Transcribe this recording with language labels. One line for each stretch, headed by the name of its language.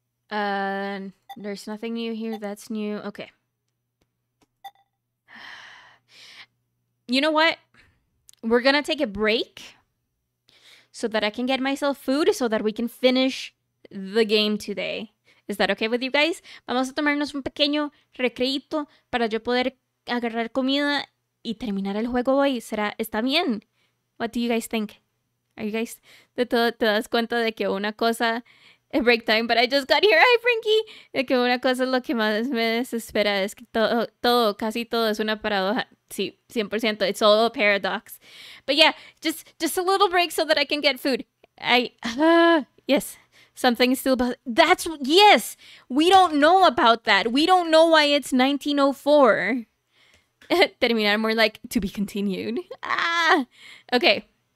English: There's nothing new here that's new. Okay. You know what? We're gonna take a break so that I can get myself food so that we can finish the game today. Is that okay with you guys?
Spanish: Vamos a tomarnos un pequeño recreito para yo poder agarrar comida y terminar el juego hoy. ¿Será? ¿Está bien?
English: What do you guys think? Are you guys...
Spanish: De todo, ¿te das cuenta de que una cosa...
English: A break time, but I just got here. Hi, Frankie.
Spanish: Que una cosa es lo que más me desespera es que todo, casi todo es una paradoja.
English: Sí, 100%. It's all a paradox. But yeah, just a little break so that I can get food. Yes, something is still about... That's... Yes! We don't know about that. We don't know why it's 1904. Terminar more like, to be continued. Ah! Okay.